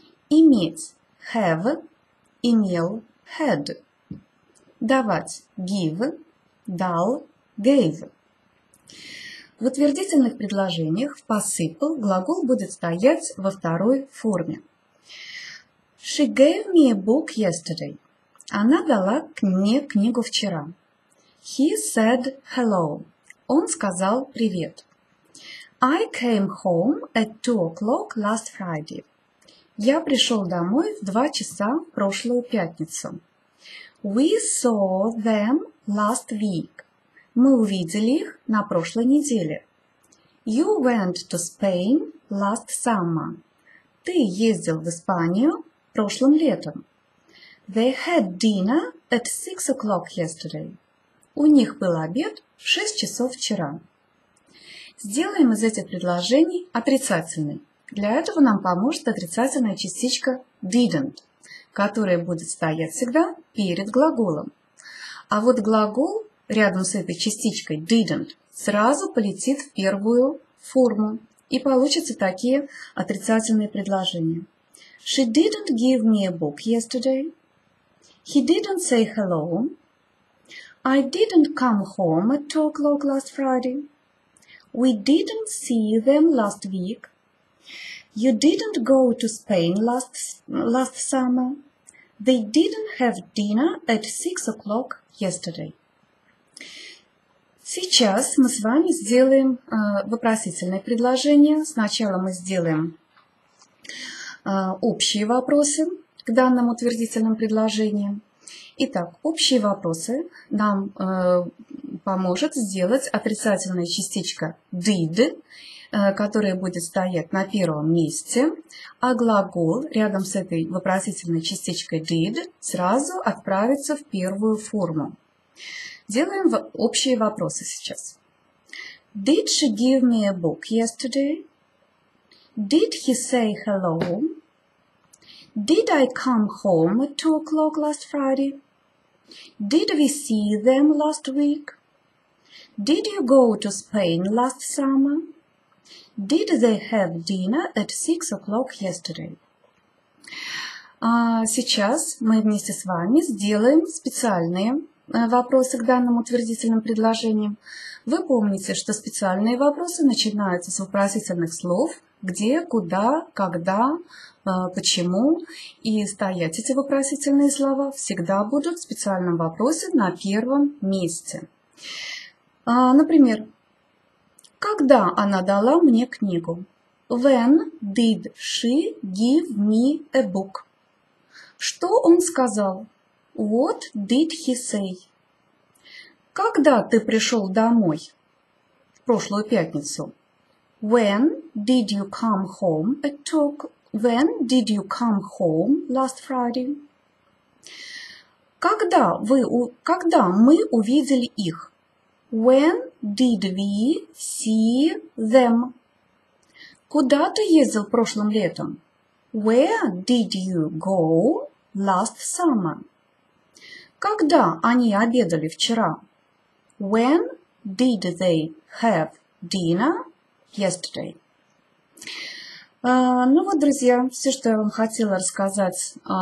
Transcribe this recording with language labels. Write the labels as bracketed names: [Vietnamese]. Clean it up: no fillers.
[Russian] Иметь – have, имел – had. Давать – give, дал – gave. В утвердительных предложениях в past simple глагол будет стоять во второй форме. [English] She gave me a book yesterday. [Russian] Она дала мне книгу вчера. [English] He said hello. [Russian] Он сказал привет. [English] I came home at 2 o'clock last Friday. [Russian] Я пришел домой в 2 часа в прошлую пятницу. [English] We saw them last week. [Russian] Мы увидели их на прошлой неделе. [English] You went to Spain last summer. [Russian] Ты ездил в Испанию прошлым летом. [English] They had dinner at 6 o'clock yesterday. [Russian] У них был обед в 6 часов вчера. Сделаем из этих предложений отрицательный. Для этого нам поможет отрицательная частичка didn't, которая будет стоять всегда перед глаголом. А вот глагол рядом с этой частичкой didn't сразу полетит в первую форму. И получатся такие отрицательные предложения. [English] She didn't give me a book yesterday. He didn't say hello. I didn't come home at 2 o'clock last Friday. We didn't see them last week. You didn't go to Spain last summer. They didn't have dinner at 6 o'clock yesterday. [Russian] Сейчас мы с вами сделаем вопросительное предложение. Сначала мы сделаем общие вопросы к данным утвердительным предложениям. Итак, общие вопросы нам поможет сделать отрицательная частичка did, которая будет стоять на первом месте, а глагол рядом с этой вопросительной частичкой did сразу отправится в первую форму. Делаем общие вопросы сейчас. [English] Did she give me a book yesterday? Did he say hello? Did I come home at 2 o'clock last Friday? Did we see them last week? Did you go to Spain last summer? Did they have dinner at 6 o'clock yesterday? [Russian] Сейчас мы вместе с вами сделаем специальные вопросы к данным утвердительным предложениям. Вы помните, что специальные вопросы начинаются с вопросительных слов «где», «куда», «когда», «почему». И стоять эти вопросительные слова всегда будут в специальном вопросе на первом месте. Например, «когда она дала мне книгу?» [English] «When did she give me a book?» [Russian] «Что он сказал?» [English] What did he say? [Russian] Когда ты пришел домой? В прошлую пятницу. [English] When did you come home at 2 o'clock? When did you come home last Friday? [Russian] Когда мы увидели их? [English] When did we see them? [Russian] Куда ты ездил прошлым летом? [English] Where did you go last summer? [Russian] Когда они обедали вчера? [English] When did they have dinner yesterday? [Russian] Ну вот, друзья, все, что я вам хотела рассказать